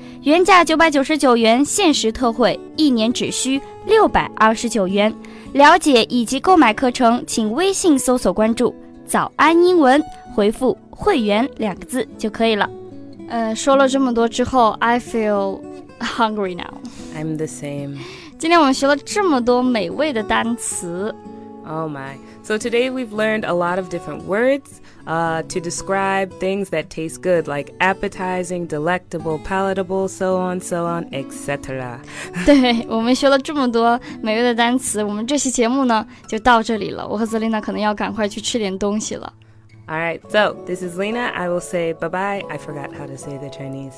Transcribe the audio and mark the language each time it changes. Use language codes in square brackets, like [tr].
[zh] 原价999元，限时特惠，一年只需629元。了解以及购买课程，请微信搜索关注“早安英文”，回复“会员”两个字就可以了。说了这么多之后 ， [en] I feel hungry now. I'm the same. [zh] 今天我们学了这么多美味的单词。 [en] Oh my. So today we've learned a lot of different words, to describe things that taste good, like appetizing, delectable, palatable, so on, etc. [zh] 对，我们学了这么多美味的单词，我们这期节目呢，就到这里了。我和 Zelina 可能要赶快去吃点东西了。 [en] All right, so this is Lena. I will say bye-bye. I forgot how to say the Chinese.